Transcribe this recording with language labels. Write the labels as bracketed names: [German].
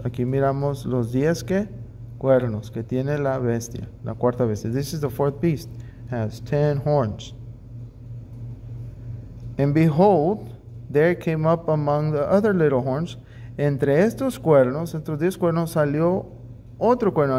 [Spanish] Aquí miramos los 10 que cuernos que tiene la bestia, la cuarta bestia. [English] This is the fourth beast. Has 10 horns. And behold, there came up among the other little horns. [Spanish] Entre estos cuernos, entre 10 cuernos, salió otro cuerno.